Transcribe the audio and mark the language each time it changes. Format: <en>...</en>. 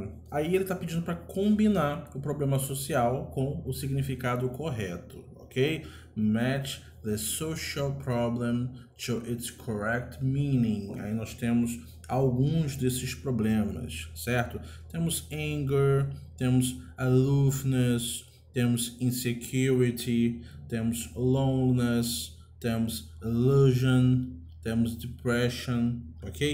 <pt>Aí ele está pedindo para combinar o problema social com o significado correto, ok?</pt> <en>Match the social problem to its correct meaning.</en> <pt>Aí nós temos alguns desses problemas, certo? Temos anger, temos aloofness, temos insecurity, temos loneliness, temos illusion, temos depression, ok?</pt>